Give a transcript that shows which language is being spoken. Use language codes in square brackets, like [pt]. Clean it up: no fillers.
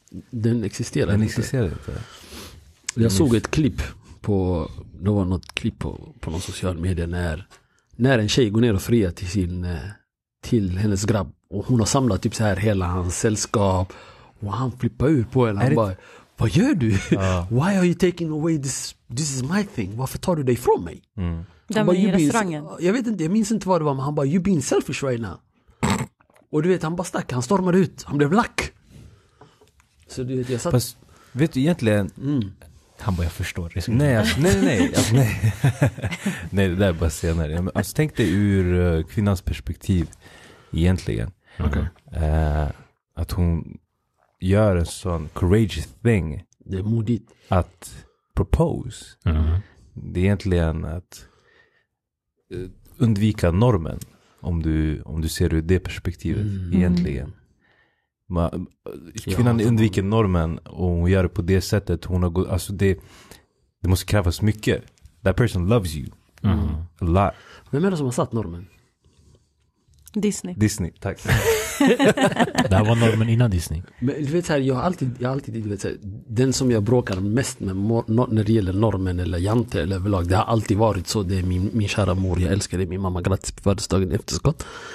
[sv] Den existerar inte. Jag såg ett klipp på, det var något klipp på någon social media när en tjej går ner och friar till hennes grabb och hon har samlat typ så här hela hans sällskap och han flippar ur på henne. Han bara, vad gör du? [en] Why are you taking away this is my thing? [sv] Varför tar du dig ifrån mig? Den var i restaurangen. Jag vet inte, jag minns inte vad det var, men han bara, [en] you're being selfish right now. [sv] Och du vet, han bara stack, han stormade ut, han blev lack. Så du vet, jag satt. Fast, vet du egentligen, han bara, jag förstår. Nej. Nej, det där är bara senare. Alltså, tänk dig ur kvinnans perspektiv egentligen. Att hon gör en sån [en] courageous thing. [sv] Det är modigt. Att propose. Det är egentligen att undvika normen. Om du ser ur det perspektivet egentligen. Kvinnan undviker normen och hon gör det på det sättet. Hon har gått, alltså det måste krävas mycket. [en] That person loves you a lot. [sv] Vem är det som har satt normen? Disney, tack. Det var normen innan Disney. Men du vet här, jag har alltid du vet här, den som jag bråkar mest med när det gäller normen eller jante eller överlag, det har alltid varit så. Det är min kära mor, jag älskar det. Min mamma, grattis på födelsedagen efterskott.